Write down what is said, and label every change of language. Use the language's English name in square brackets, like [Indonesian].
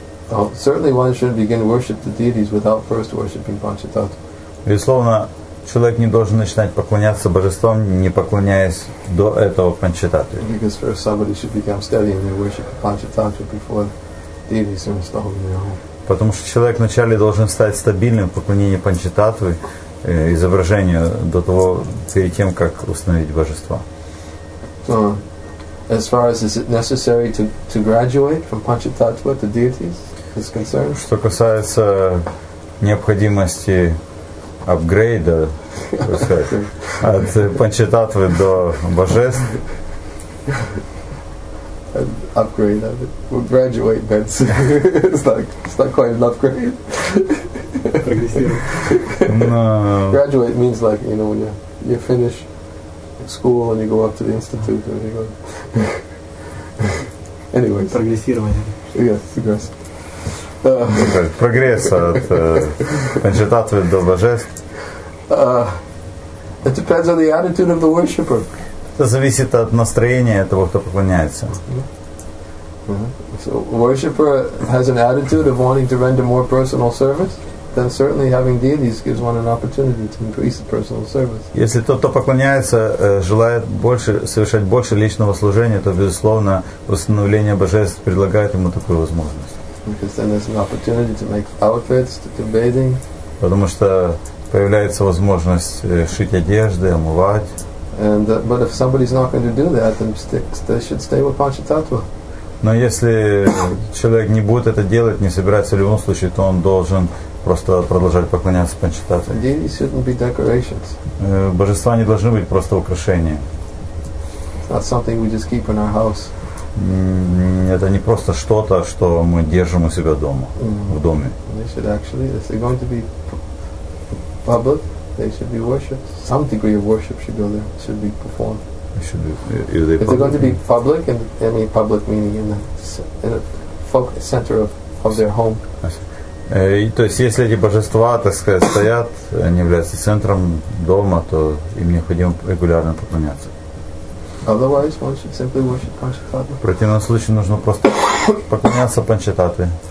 [English] Well, certainly one should begin to worship the deities without first worshiping Panchatattva. [Russian] Безусловно, человек не должен начинать поклоняться божествам, не поклоняясь до этого Панчататтве. [English] Because first somebody should become studying and worshiping Panchatattva before deities are installed in their home. [Russian] Потому что человек вначале должен стать стабильным в поклонении Панчататтве, изображению, до того, перед тем, как установить божество. [English] So, as far as is it necessary to graduate from Panchatattva to deities? [Russian] Что касается необходимости апгрейда, от Панчататвы до божеств. [English] Upgrade of it. We'll graduate, but it's not quite an upgrade. No. Graduate means like, you know, when you finish school and you go up to the institute and you go. Anyway. [Russian] Прогрессирование. [English] Yes, progress. [Russian] Прогресс от Панчататвы до божеств. [English] It depends on the attitude of the worshipper. [Russian] Это зависит от настроения того, кто поклоняется. [English] So worshipper has an attitude of wanting to render more personal service, then certainly having deities gives one an opportunity to increase the personal service. [Russian] Если тот, кто поклоняется, желает больше совершать больше личного служения, то безусловно установление божеств предлагает ему такую возможность. [English] Because then there's an opportunity to make outfits, to do bathing. [Russian] Потому что появляется возможность шить одежды, омывать. [English] And but if somebody's not going to do that, then they should stay with Panchatattva. [Russian] Но если человек не будет это делать, не собирается в любом случае, то он должен просто продолжать поклоняться Панчататтве. [English] Deities shouldn't be decorations. [Russian] Божества не должны быть просто украшения. [English] It's not something we just keep in our house. [Russian] Это не просто что-то, что мы держим у себя дома, в доме. [English] They should actually, if they're going to be public, they should be worshipped. Some degree of worship should go there, should be performed. Should be, if they're going to be public, and I mean public meaning in the folk center of their home. [Russian] То есть, если эти божества, так сказать, стоят, они являются центром дома, то им необходимо регулярно поклоняться. [English] Otherwise, one should simply worship Panchatattva. [Russian] В противном случае нужно просто поклоняться Панчататтве.